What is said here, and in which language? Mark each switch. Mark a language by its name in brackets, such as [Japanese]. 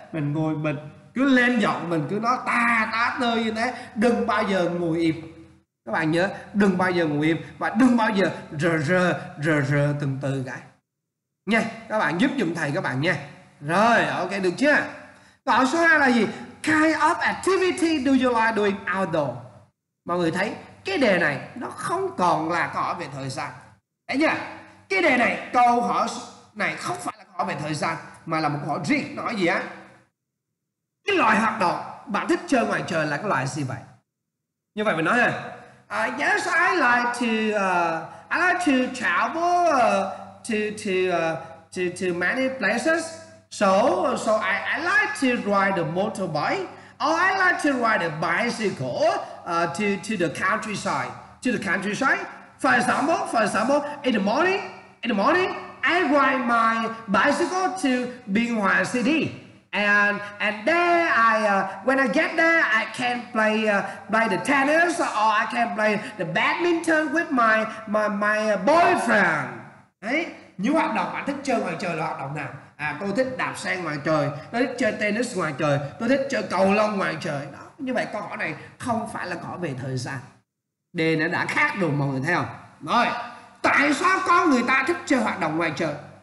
[Vietnamese] Mình ngồi mình cứ lên giọng, mình cứ nói ta tươi như thế. Đừng bao giờ ngồi im. Các bạn nhớ, đừng bao giờ ngồi im và đừng bao giờ rờ từng từ cả. Nha, các bạn giúp giùm thầy các bạn nha. Rồi, ok được chưa? Câu số 2 là gì? [English] Kind of activity do you like doing outdoor? [Vietnamese] Mọi người thấy cái đề này nó không còn là câu hỏi về thời gian. Đấy nhá. Cái đề này, câu hỏi này không phải là câu hỏi về thời gian mà là một câu hỏi riêng. Nói gì á? Cái loại hoạt động bạn thích chơi ngoài trời là cái loại gì vậy? Như vậy mình nói ha. [English] Yes, I like to travel to many places. So I like to ride the motorbike, or I like to ride a bicycle to the countryside. For example, in the morning, I ride my bicycle to Binghua City, and there when I get there, I can play the tennis, or I can play the badminton with my boyfriend. [Vietnamese] Hey, những hoạt động bạn thích chơi ngoài trời là hoạt động nào? Tôi thích đạp xe ngoài trời, tôi thích chơi tennis ngoài trời, tôi thích chơi cầu lông ngoài trời. Đó. Như vậy câu hỏi này không phải là câu hỏi về thời gian. Đề nó đã khác rồi mọi người thấy không? Rồi, tại sao có người ta thích chơi hoạt động ngoài trời?